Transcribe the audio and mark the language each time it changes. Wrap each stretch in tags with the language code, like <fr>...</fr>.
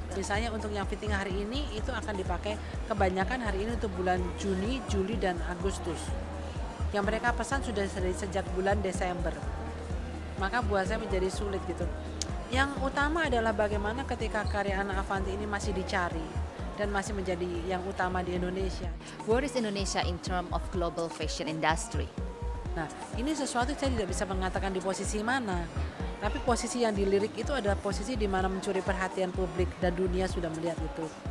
<id>Biasanya untuk yang fitting hari ini itu akan dipakai kebanyakan hari ini untuk bulan Juni, Juli, dan Agustus. Yang mereka pesan sudah dari sejak bulan Desember. Maka buat saya menjadi sulit gitu. Yang utama adalah bagaimana ketika karya Anna Avanti ini masih dicari dan masih menjadi yang utama di Indonesia.</id> <en>Where is Indonesia in term of global fashion industry?</en> <id>Nah, ini sesuatu saya tidak bisa mengatakan di posisi mana. Tapi posisi yang dilirik itu adalah posisi di mana mencuri perhatian publik dan dunia sudah melihat itu.</id>